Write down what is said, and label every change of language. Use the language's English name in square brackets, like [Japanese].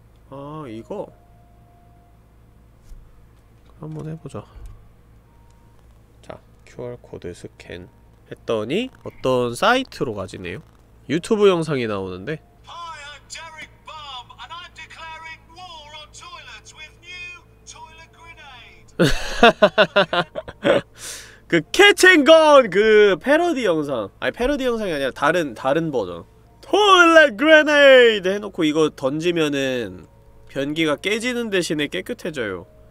[Korean] 아, 이거 한번 해보자. 자, QR코드 스캔 했더니 어떤 사이트로 가지네요. 유튜브 영상이 나오는데. [English] Hi, I'm Derek Bob, and I'm declaring war on toilets with new toilet grenade. [Korean] 그 Catch and Gun 그 패러디 영상. 아니 패러디 영상이 아니라 다른 버전. Toilet grenade 해놓고 이거 던지면은 변기가 깨지는 대신에 깨끗해져요.